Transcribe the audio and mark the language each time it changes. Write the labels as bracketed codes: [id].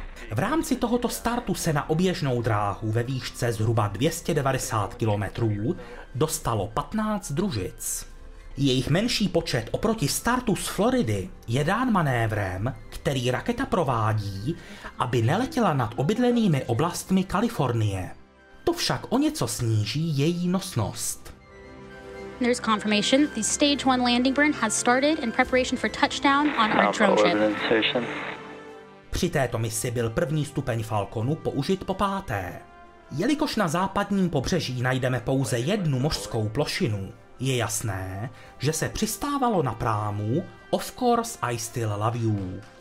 [cs] V rámci tohoto startu se na oběžnou dráhu ve výšce zhruba 290 km dostalo 15 družic. Jejich menší počet oproti startu z Floridy je dán manévrem, který raketa provádí, aby neletěla nad obydlenými oblastmi Kalifornie. To však o něco sníží její nosnost. [en] There's confirmation. The stage 1 landing burn has started in preparation for touchdown on our drone ship. [cs] Při této misi byl první stupeň Falconu použit po páté. Jelikož na západním pobřeží najdeme pouze jednu mořskou plošinu, je jasné, že se přistávalo na prámu Of course I still love you.